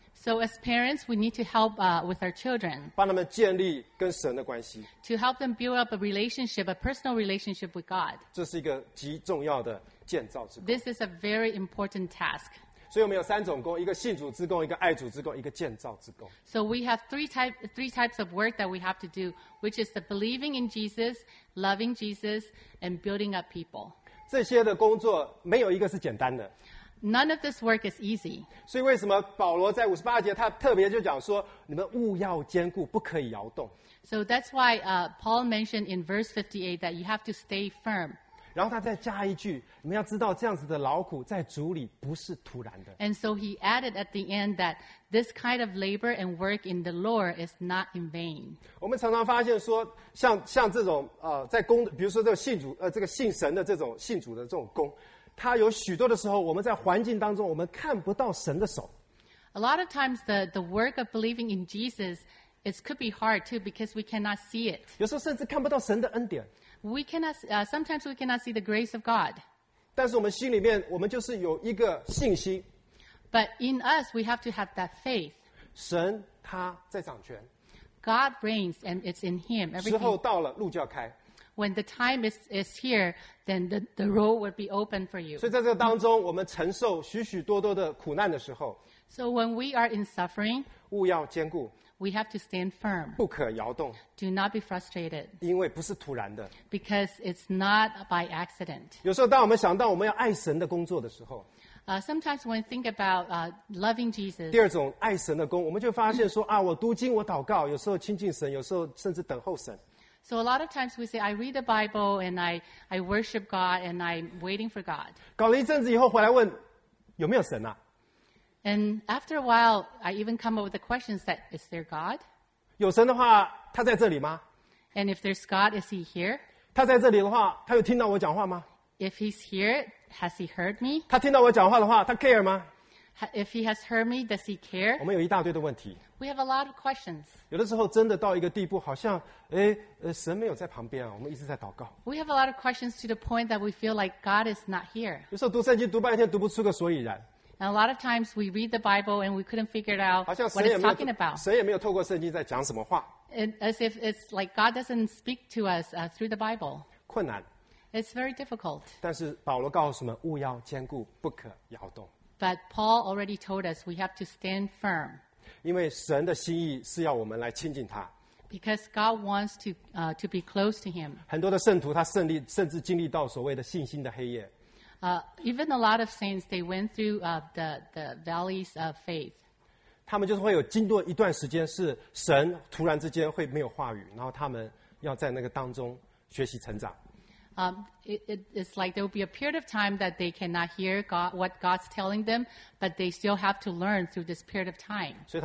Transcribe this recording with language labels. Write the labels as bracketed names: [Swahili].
[English] So as parents, we need to help with our children. [Chinese] 帮他们建立跟神的关系。 [English] To help them build up a relationship, a personal relationship with God. [Chinese] 这是一个极重要的建造之工。 [English] This is a very important task. [Chinese] 所以我们有三种工，一个信主之工，一个爱主之工，一个建造之工。 [English] So we have three types of work that we have to do, which is the believing in Jesus, loving Jesus, and building up people. [Chinese] 这些的工作没有一个是简单的。 [English] None of this work is easy. [Chinese] 所以为什么保罗在58节他特别就讲说你们务要坚固不可以摇动。 [English] So that's why Paul mentioned in verse 58 that you have to stay firm. [Chinese] 然后他再加一句你们要知道这样子的劳苦在主里不是徒然的。 [English] And so he added at the end that this kind of labor and work in the Lord is not in vain. [Chinese] 我们常常发现说像这种在工比如说这个信主这个信神的这种信主的这种工它有许多的时候我们在环境当中我们看不到神的手。 [English] A lot of times the work of believing in Jesus it could be hard too because we cannot see it. [Chinese] 有时候甚至看不到神的恩典。 [English] We cannot, sometimes we cannot see the grace of God. [Chinese] 但是我们心里面我们就是有一个信心。 [English] But in us, we have to have that faith. [Chinese] 神他在掌权。 [English] God reigns and it's in him. Everything. [Chinese] 时候到了, 路就要开。 [English] When the time is here, then the road would be open for you. [Chinese] 所以在这当中, 我们承受许许多多的苦难的时候, [English] so when we are in suffering, [Chinese] 务要坚固, [English] we have to stand firm. [Chinese] 不可摇动, [English] do not be frustrated. [Chinese] 因为不是突然的, [English] because it's not by accident. [Chinese] 有时候当我们想到我们要爱神的工作的时候, [English] Sometimes when we think about loving Jesus, [Chinese] 第二种爱神的工, 我们就发现说, 啊, 我读经, 我祷告, 有时候亲近神, 有时候甚至等候神。 [English] So a lot of times we say, I read the Bible and I worship God and I'm waiting for God. [Chinese] 搞了一阵子以后回来问, 有没有神啊? [English] And after a while, I even come up with the questions that, is there God? [Chinese] 有神的话, 他在这里吗? [English] And if there's God, is he here? [Chinese] 他在这里的话, 他有听到我讲话吗? [English] If he's here, has he heard me? [Chinese] 他听到我讲话的话, 他care吗? [English] If he has heard me, does he care? [Chinese] 我们有一大堆的问题。 [English] We have a lot of questions. [Chinese] 有的时候真的到一个地步, 好像, 诶, 神没有在旁边啊, 我们一直在祷告。 [English] We have a lot of questions to the point that we feel like God is not here. [Chinese] 有时候读圣经读半天, 读不出个所以然。 [English] And a lot of times we read the Bible and we couldn't figure it out what it's talking about. [Chinese] 神也没有透过圣经在讲什么话。 [English] As if it's like God doesn't speak to us through the Bible. [Chinese] 困难。 [English] It's very difficult. [Chinese] 但是保罗告诉我们, 务要坚固, 不可摇动。 [English] But Paul already told us we have to stand firm. [Chinese] 因为神的心意是要我们来亲近他。 [English] Because God wants to be close to him. [Chinese] 很多的圣徒他胜利, 甚至经历到所谓的信心的黑夜。 [English] Even a lot of saints, they went through the valleys of faith. [Chinese] 他们就是会有经过一段时间是神突然之间会没有话语, 然后他们要在那个当中学习成长。 [English] It's like there will be a period of time that they cannot hear God, what God's telling them, but they still have to learn through this period of time.